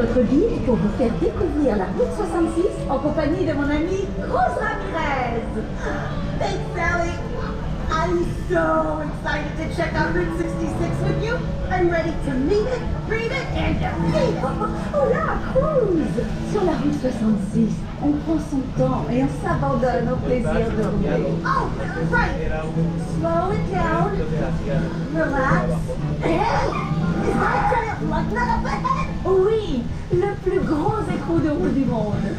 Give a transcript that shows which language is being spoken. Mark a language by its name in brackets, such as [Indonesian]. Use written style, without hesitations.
[French] Lille pour vous faire découvrir la route 66 en compagnie de mon ami Cruz Ramirez. [English] Hey Sally, I'm so excited to check out Route 66 with you. I'm ready to meet it, breathe it, and defeat it. [French] Hola Cruz, sur la route 66, on prend son temps et on s'abandonne au plaisir de rouler. [English] Oh, right. Slow it down. Relax. Hey, is that a Lugnut up ahead? [French] Oui, le plus gros écrou de roue du monde.